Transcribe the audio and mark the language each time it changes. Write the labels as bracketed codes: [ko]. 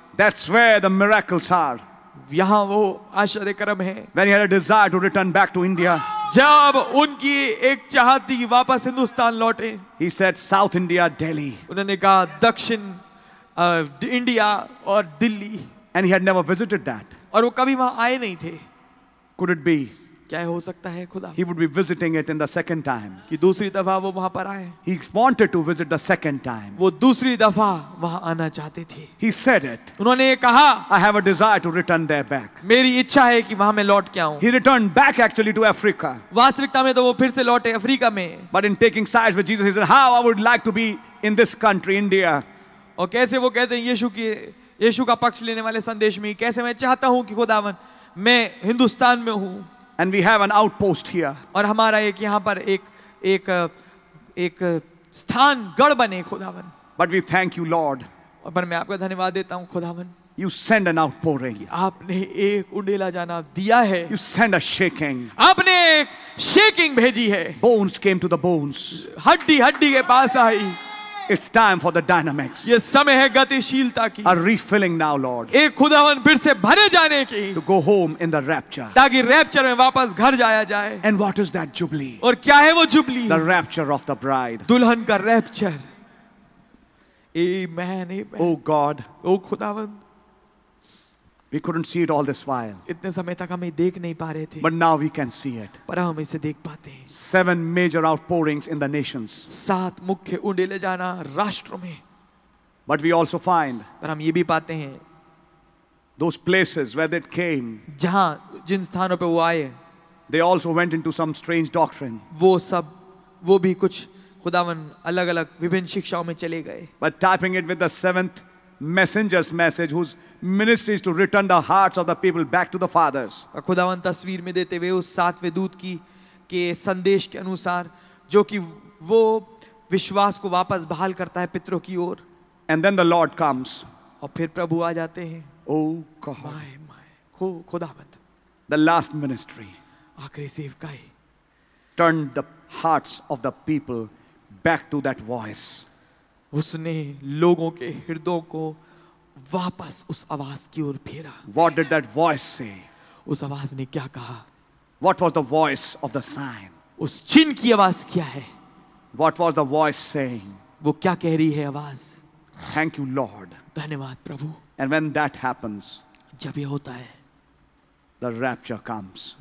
[en] that's where the miracles are [hi] यहां वो आश्चर्य कर्म है [en] when he had a desire to return back to India [hi] जब उनकी एक चाहत थी वापस हिंदुस्तान लौटे [en] he said South India Delhi [hi] उन्होंने कहा दक्षिण इंडिया और Delhi [en] And he had never visited that. [hi] और वो कभी वहाँ आए नहीं थे. [en] Could it be? [hi] क्या हो सकता है खुदा? [en] He would be visiting it in the second time. [hi] कि दूसरी दफा वो वहाँ पर आए. [en] He wanted to visit the second time. [hi] वो दूसरी दफा वहाँ आना चाहते थे. [en] He said it. [hi] उन्होंने ये कहा. [en] I have a desire to return there back. [hi] मेरी इच्छा है कि वहाँ मैं लौट के आऊँ. [en] He returned back actually to Africa. [hi] वास्तविकता में तो वो फिर से लौटे अफ्रीका में. [en] But in taking sides with Jesus, he said, "How I would like to be in this country, India." [hi] और कैसे वो कहते हैं यीशु कि यीशु का पक्ष लेने वाले संदेश में कैसे मैं चाहता हूं कि खुदावन मैं हिंदुस्तान में हूं [en] and we have an outpost here [hi] और हमारा एक यहां पर एक एक एक स्थान गढ़ बने खुदावन [en] but we thank you Lord [hi] और पर मैं आपका धन्यवाद देता हूं खुदावन [en] you send an outpouring [hi] आपने एक उंडेला जाना दिया है [en] you send a shaking [hi] आपने एक शेकिंग भेजी है [en] bones came to the bones [hi] हड्डी हड्डी के पास आई [en] It's time for the dynamics. [hi] ये समय है गतिशीलता की. [en] A refilling now, Lord. [hi] एक खुदावन फिर से भरे जाने की. [en] To go home in the rapture. [hi] ताकि रैप्चर में वापस घर जाया जाए. [en] And what is that jubilee? [hi] और क्या है वो jubilee? [en] The rapture of the bride. [hi] दुल्हन का rapture. Amen, amen. [en] Oh God. [hi] Oh Khudavan. [en] We couldn't see it all this while. [hi] इतने समय तक हमें देख नहीं पा रहे थे. [en] But now we can see it. [hi] पर हम इसे देख पाते हैं. [en] 7 major outpourings in the nations. [hi] 7 मुख्य उंडेले जाना राष्ट्रों में. [en] But we also find. [hi] पर हम ये भी पाते हैं. [en] Those places where it came. [hi] जहाँ जिन स्थानों पे वो आए. [en] They also went into some strange doctrine. [hi] वो सब वो भी कुछ खुदावन अलग अलग विभिन्न शिक्षाओं में चले गए. [en] But typing it with the 7th. Messenger's message, whose ministry is to return the hearts of the people back to the fathers. [hi] खुदावन तस्वीर में देते हुए उस सातवें दूत की के संदेश के अनुसार, जो कि वो विश्वास को वापस बहाल करता है पितरों की ओर. [en] And then the Lord comes. [hi] और फिर प्रभु आ जाते हैं. [en] Oh God. [hi] My my. खुदावन. [en] The last ministry. [hi] आखिरी सेवकाई. [en] Turned the hearts of the people back to that voice. [hi] उसने लोगों के हृदयों को वापस उस आवाज की ओर फेरा. [en] What did that voice say? [hi] उस आवाज ने क्या कहा? [en] What was the voice of the sign? [hi] उस चिन्ह की आवाज क्या है? [en] What was the voice saying? [hi] वो क्या कह रही है आवाज? [en] Thank you, Lord. [hi] धन्यवाद प्रभु. [en] And when that happens, [hi] जब ये होता है, [en] the rapture comes.